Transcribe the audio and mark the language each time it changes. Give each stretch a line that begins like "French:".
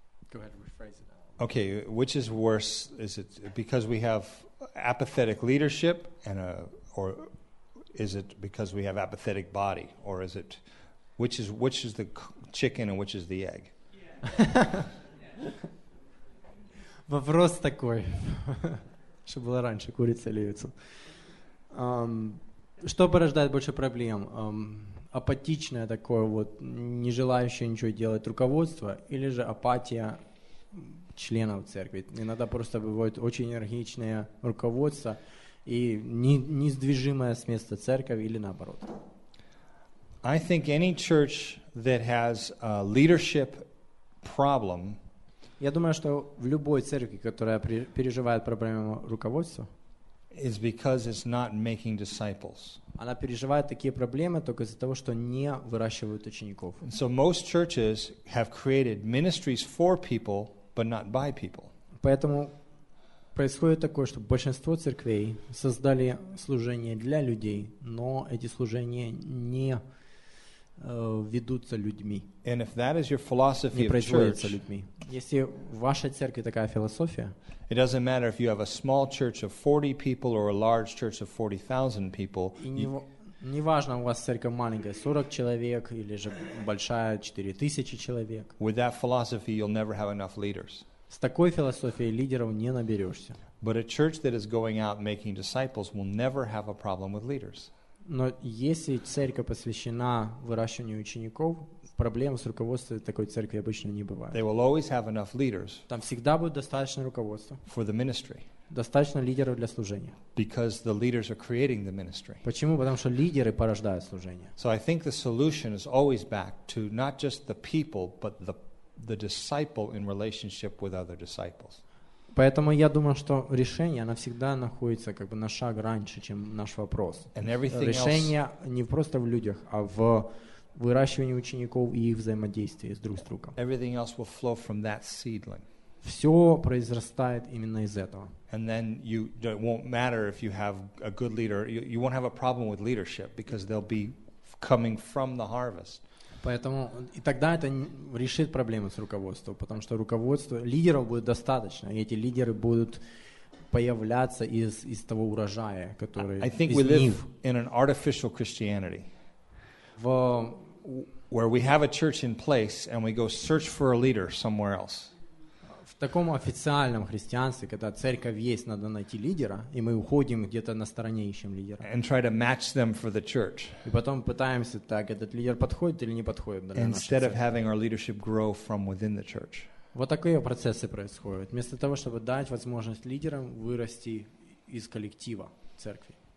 English: Go ahead and rephrase it. Okay, which is worse? Is it because we have apathetic leadership, or is it because we have apathetic body, or is it which is the chicken and which is the egg?
Russian: Вопрос такой, что было раньше, курица или яйцо? Что порождает больше проблем? Апатичное такое вот, не желающее ничего делать руководство, или же апатия членов церкви. Иногда просто бывает очень энергичное руководство и несдвижимое с места церковь или наоборот.
English: I think any church that has a leadership problem.
Russian: Я думаю, что в любой церкви, которая переживает проблему руководства,
English: is because it's not making disciples.
Russian: Она переживает такие проблемы только из-за того, что не выращивают учеников.
English: And so most churches have created ministries for people, but not by people.
Russian: Поэтому происходит такое, что большинство церквей создали служение для людей, но эти служения не ведутся людьми.
English: And if that is your philosophy of church,
Russian: людьми. Если в вашей церкви такая философия,
English: it doesn't matter if you have a small church of 40 people or a large church of 40,000 people.
Russian: Неважно, у вас церковь маленькая, 40 человек или же большая, 4000 человек.
English: With that philosophy, you'll never have enough leaders.
Russian: С такой философией лидеров не наберешься.
English: But a church that is going out making disciples will never have a problem with leaders.
Russian: Но если церковь посвящена выращиванию учеников, проблем с руководством такой церкви обычно не бывает.
English: They will always have enough leaders.
Russian: Там всегда будет достаточно руководства.
English: For the ministry.
Russian: Достаточно лидеров для служения.
English: Because the leaders are creating the ministry.
Russian: Почему? Потому что лидеры порождают служение.
English: So I think the solution is always back to not just the people, but the disciple in relationship with other disciples.
Russian: Поэтому я думаю, что решение, оно всегда находится как бы на шаг раньше, чем наш вопрос. Решение не просто в людях, а в выращивании учеников и их взаимодействии с друг с другом.
English: Everything else will flow from that seedling.
Russian: Все произрастает именно из этого.
English: And then you it won't matter if you have a good leader, you won't have a problem with leadership because they'll be coming from the harvest.
Russian: Поэтому и тогда это решит проблемы с руководством, потому что руководство лидеров будет достаточно, и эти лидеры будут появляться из того урожая, который
English: I think
Russian: из
English: we
Russian: них.
English: Live in an artificial Christianity, where we have a church in place and we go search for a leader somewhere else.
Russian: В таком официальном христианстве, когда церковь есть, надо найти лидера, и мы уходим где-то на стороне, ищем лидера.
English: And try to match them for the church.
Russian: И потом пытаемся, так, этот лидер подходит или не подходит для нашей церкви.
English: Instead of having our leadership grow from within the church.
Russian: Вот такие процессы происходят. Вместо того, чтобы дать возможность лидерам вырасти из коллектива церкви.